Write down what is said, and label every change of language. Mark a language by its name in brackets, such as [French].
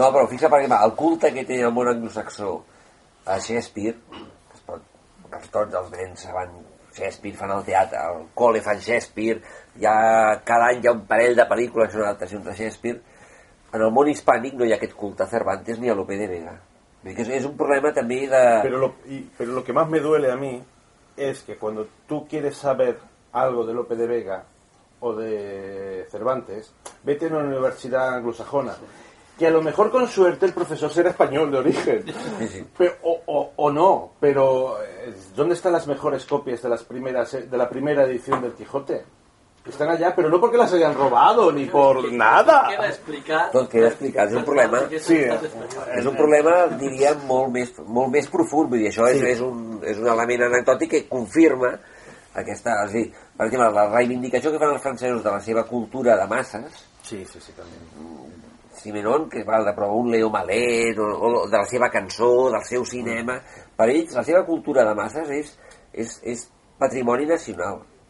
[Catalan] No, però fixa't, per exemple, el culte que té el món anglosaxó a Shakespeare, per tots els nens van Shakespeare, fan el teatre, al col·le fan Shakespeare, ja cada any hi ha un parell de pel·lícules i una adaptació de Shakespeare. En el món hispànic no hi ha aquest culte a Cervantes ni a Lope de Vega. És un problema també de... [Spanish] Però lo que más me duele a mí es que cuando tú quieres saber algo de Lope de Vega o de Cervantes, vete a una universidad anglosajona. Que a lo mejor con suerte el profesor será español de origen. Sí, sí. O no, pero ¿dónde están las mejores copias de las primeras de la primera edición del Quijote? Están allá, pero no porque las hayan robado ni por ¿qué, nada. Queda explicar, es un problema. Sí. [Catalan] Es un problema, diria, molt més profund, vull dir, això sí. és un element anecdòtic que confirma aquesta, o sigui, per exemple, la reivindicació que fan els francesos de la seva cultura de masses. Sí, sí, sí, també. Simenon, que va de prou un Leo Malet, o de la seva cançó, del seu cinema, per ells la seva cultura de masses és patrimoni nacional.